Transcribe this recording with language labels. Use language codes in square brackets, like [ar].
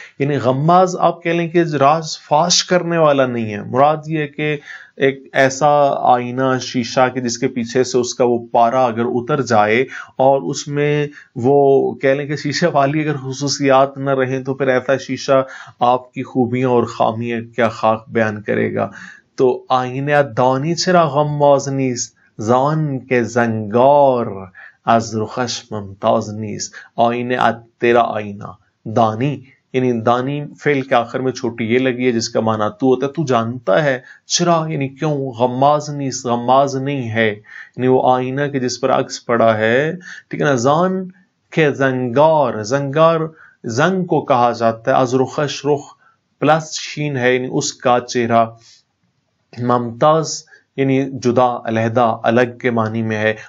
[ur] یعنی غماز آپ کہہ لیں کہ راز فاش کرنے والا نہیں ہے، مراد یہ ہے کہ ایک ایسا آئینہ شیشہ کہ جس کے پیچھے سے اس کا وہ پارا اگر اتر جائے اور اس میں وہ کہہ لیں کہ شیشے والی اگر خصوصیات نہ رہیں تو پھر ایسا شیشہ آپ کی خوبیاں اور خامیاں کیا خاک بیان کرے گا. [fa] تو آئینہ دانی چرا غماز نیست، زان کے زنگار از رخش ممتاز نیست. [ur] آئینہ تیرا آئینہ دانی، یعنی دانی فعل کے آخر میں چھوٹی یہ لگی ہے جس کا معنی تو ہوتا ہے، تو جانتا ہے چرا یعنی کیوں، غماز نیست، غماز نہیں ہے، یعنی وہ آئینہ کے جس پر عکس پڑا ہے، ٹھیک ہے نا. زان کے زنگار، زنگار زنگ کو کہا جاتا ہے، از رخش رخ پلس شین ہے یعنی اس کا چہرہ، ممتاز یعنی جدا علیحدہ الگ کے معنی میں ہے.